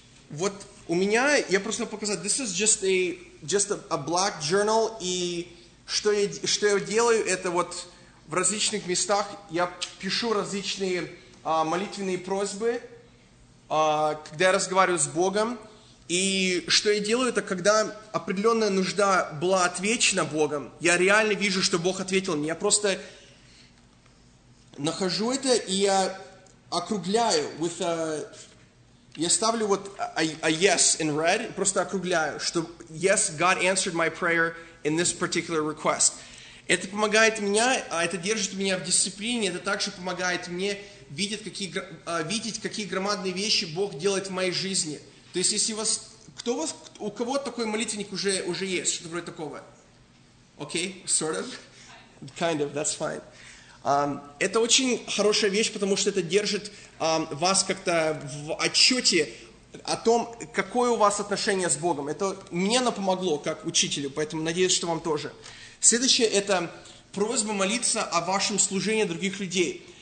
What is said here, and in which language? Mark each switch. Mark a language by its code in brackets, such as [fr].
[ru] Вот у меня, я просто показал, [en] this is just a black journal, [ru] и что я делаю, это вот в различных местах я пишу различные молитвенные просьбы, когда я разговариваю с Богом. И что я делаю, это когда определенная нужда была отвечена Богом, я реально вижу, что Бог ответил мне. Я просто нахожу это, и я округляю. Я ставлю вот [en] a yes in red, [ru] просто округляю, что [en] yes, God answered my prayer in this particular request. [ru] Это помогает мне, это держит меня в дисциплине, это также помогает мне видеть, какие громадные вещи Бог делает в моей жизни. То есть, если у кого такой молитвенник уже есть, что-то вроде такого? Окей, [en] okay, sort of, kind of, that's fine. [ru] Это очень хорошая вещь, потому что это держит вас как-то в отчете о том, какое у вас отношение с Богом. Это мне оно помогло как учителю, поэтому надеюсь, что вам тоже. Следующее – это просьба молиться о вашем служении других людей.